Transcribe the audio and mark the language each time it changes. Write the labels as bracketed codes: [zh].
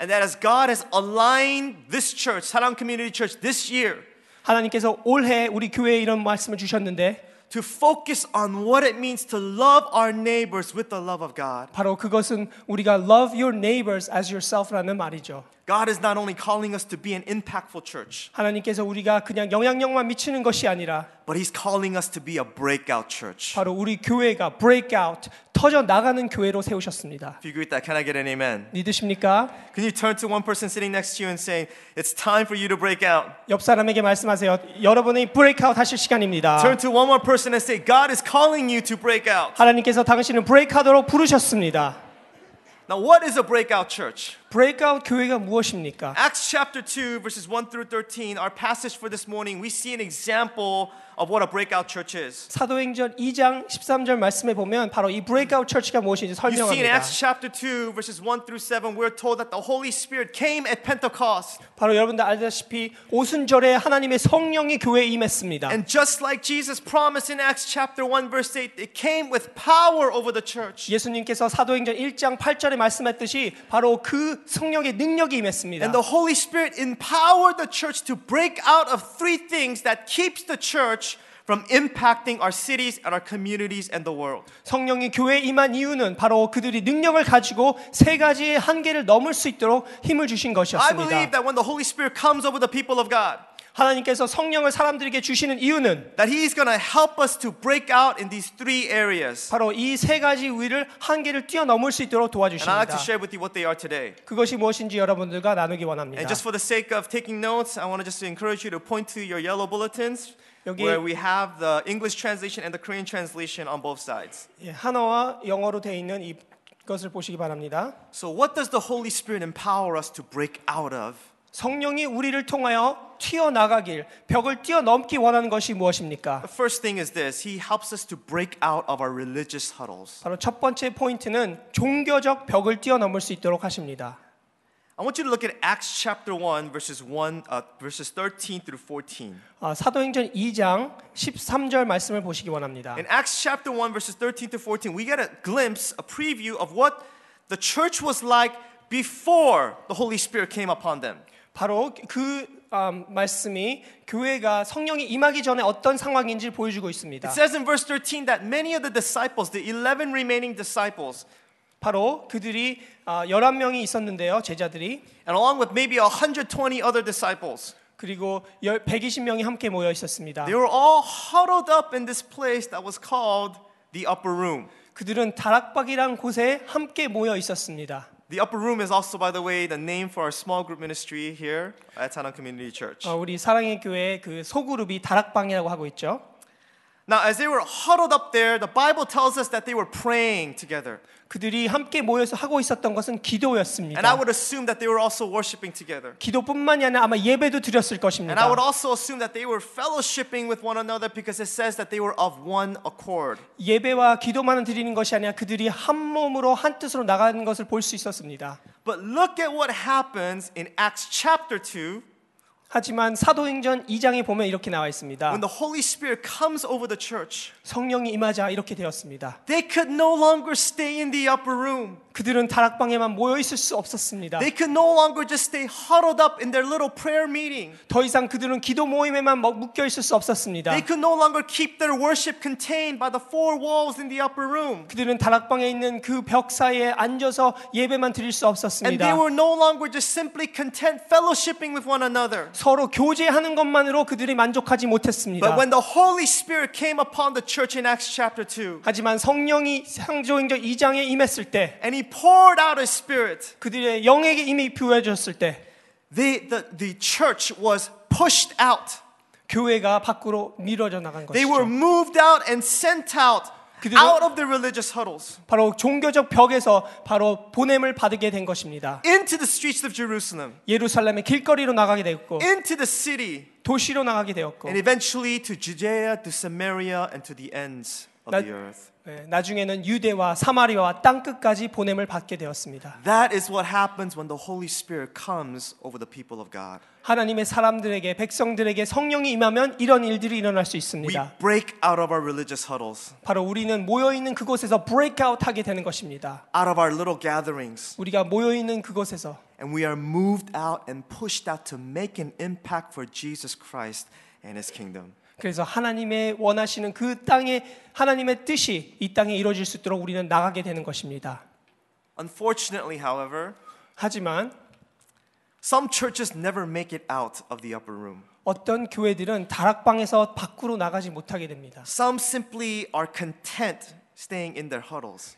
[en] And that as God has aligned this church, 사랑 Community Church, this year, [ko] 하나님께서 올해 우리 교회에 이런 말씀을 주셨는데, [en] to focus on what it means to love our neighbors with the love of God. [ko] 바로 그것은 우리가 [en] love your neighbors as yourself [ko] 라는 말이죠. [en] God is not only calling us to be an impactful church. [ko] 하나님께서 우리가 그냥 영향력만 미치는 것이 아니라, [en] but He's calling us to be a breakout church. [ko] 바로 우리 교회가 breakout. 터져 나가는 교회로 세우셨습니다. [en] If you agree with that, can I get an amen? [ko] 믿으십니까? [en] Can you turn to one person sitting next to you and say, "It's time for you to break out." [ko] 옆 사람에게 말씀하세요. 여러분이 브레이크아웃 하실 시간입니다. [en] Turn to one more person and say, "God is calling you to break out." [ko] 하나님께서 당신을 브레이크아웃으로 부르셨습니다. [en] Now, what is a breakout church? [ko] Breakout 교회가 무엇입니까? [en] Acts chapter 2, verses 1 through 13, our passage for this morning, we see an example of what a breakout church is. [ko] 사도행전 2장 13절 말씀해 보면 바로 이 breakout church가 무엇인지 설명합니다. [en] You see in Acts chapter 2, verses 1 through 7, we're told that the Holy Spirit came at Pentecost. [ko] 바로 여러분들 알다시피 오순절에 하나님의 성령이 교회에 임했습니다. [en] And just like Jesus promised in Acts chapter 1, verse 8, it came with power over the church. [ko] 예수님께서 사도행전 1장 8절에 말씀했듯이 바로 그 성령의 능력이 임했습니다. [en] And the Holy Spirit empowered the church to break out of three things that keeps the church from impacting our cities and our communities and the world. [ko] 성령이 교회에 임한 이유는 바로 그들이 능력을 가지고 세 가지의 한계를 넘을 수 있도록 힘을 주신 것이었습니다. [en] I believe that when the Holy Spirit comes over the people of God, [ko] 하나님께서 성령을 사람들에게 주시는 이유는 [en] that He is going to help us to break out in these three areas. [ko] 바로 이 세 가지 위를 한계를 뛰어넘을 수 있도록 도와주십니다. [en] And I'd like to share with you what they are today. [ko] 그것이 무엇인지 여러분들과 나누기 원합니다. [en] And just for the sake of taking notes, I want to just encourage you to point to your yellow bulletins where we have the English translation and the Korean translation on both sides. [ko] 한어와 영어로 돼 있는 이 것을 보시기 바랍니다. [en] So what does the Holy Spirit empower us to break out of? [ko] 성령이 우리를 통하여 튀어나가길, 벽을 뛰어넘기 원하는 것이 무엇입니까? [en] The first thing is this. He helps us to break out of our religious huddles. [ko] 바로 첫 번째 포인트는 종교적 벽을 뛰어넘을 수 있도록 하십니다. [en] I want you to look at Acts chapter 1, verses 13 through 14. [ko] 사도행전 2장 13절 말씀을 보시기 원합니다. [en] In Acts chapter 1, verses 13 to 14, we get a glimpse, a preview of what the church was like before the Holy Spirit came upon them. [ko] 바로 그 말씀이 교회가 성령이 임하기 전에 어떤 상황인지 보여주고 있습니다. [en] It says in verse 13 that many of the disciples, the 11 remaining disciples, [ko] 바로 그들이 11명이 있었는데요, 제자들이. [en] And along with maybe 120 other disciples. [ko] 그리고 120명이 함께 모여 있었습니다. [en] They were all huddled up in this place that was called the upper room. [ko] 그들은 다락방이란 곳에 함께 모여 있었습니다. [en] The upper room is also, by the way, the name for our small group ministry here at Sanam Community Church. [ko] 우리 사랑의 교회 그 소그룹이 다락방이라고 하고 있죠. [en] Now, as they were huddled up there, the Bible tells us that they were praying together. [ko] 그들이 함께 모여서 하고 있었던 것은 기도였습니다. [en] And I would assume that they were also worshiping together. [ko] 기도뿐만이 아니라 아마 예배도 드렸을 것입니다. [en] And I would also assume that they were fellowshipping with one another because it says that they were of one accord. [ko] 예배와 기도만을 드리는 것이 아니라 그들이 한 몸으로 한 뜻으로 나가는 것을 볼 수 있었습니다. [en] But look at what happens in Acts chapter 2. [ko] 하지만 사도행전 2장에 보면 이렇게 나와 있습니다. [en] When the Holy Spirit comes over the church, [ko] 성령이 임하자 이렇게 되었습니다. [en] They could no longer stay in the upper room. [ko] 그들은 다락방에만 모여 있을 수 없었습니다. [en] They could no longer just stay huddled up in their little prayer meeting. [ko] 더 이상 그들은 기도 모임에만 묶여 있을 수 없었습니다. [en] They could no longer keep their worship contained by the four walls in the upper room. [ko] 그들은 다락방에 있는 그 벽 사이에 앉아서 예배만 드릴 수 없었습니다. [en] And they were no longer just simply content fellowshipping with one another. [ko] 서로 교제하는 것만으로 그들이 만족하지 못했습니다. [en] But when the Holy Spirit came upon the church in Acts chapter 2. [ko] 하지만 성령이 사도행전 2장에 임했을 때 [en] He poured out His Spirit. [ko] 그들의 영에게 이미 부어졌을 때, [en] the church was pushed out. [ko] 교회가 밖으로 밀어져 나간 것이죠. [en] They were moved out and sent out. Out of the religious huddles, [ko] 바로 종교적 벽에서 바로 보냄을 받게 된 것입니다. [en] Into the streets of Jerusalem, [ko] 예루살렘의 길거리로 나가게 되었고, [en] into the city, [ko] 도시로 나가게 되었고, [en] and eventually to Judea, to Samaria, and to the ends of the earth. [ko] 나중에는 유대와 사마리아와 땅 끝까지 보냄을 받게 되었습니다. [en] That is what happens when the Holy Spirit comes over the people of God. [ko] 하나님의 사람들에게 백성들에게 성령이 임하면 이런 일들이 일어날 수 있습니다. [en] We break out of our religious huddles. [ko] 바로 우리는 모여 있는 그곳에서 break out 하게 되는 것입니다. [en] Out of our little gatherings. [ko] 우리가 모여 있는 그곳에서 [en] and we are moved out and pushed out to make an impact for Jesus Christ and his kingdom. [ko] 그래서 하나님의 원하시는 그 땅에 하나님의 뜻이 이 땅에 이루어질 수 있도록 우리는 나가게 되는 것입니다. [en] Unfortunately, however, [ko] 하지만 [en] some churches never make it out of the upper room. [ko] 어떤 교회들은 다락방에서 밖으로 나가지 못하게 됩니다. [en] Some simply are content staying in their huddles.